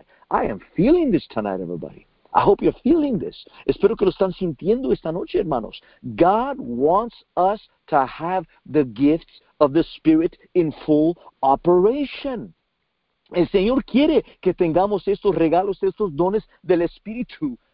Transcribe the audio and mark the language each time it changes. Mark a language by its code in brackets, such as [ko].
[en] I am feeling this tonight, everybody. I hope you're feeling this. [es] Espero que lo están sintiendo esta noche, hermanos. [en] God wants us to have the gifts of the Spirit in full operation. [es] El Señor quiere que tengamos estos regalos, estos dones del Espíritu.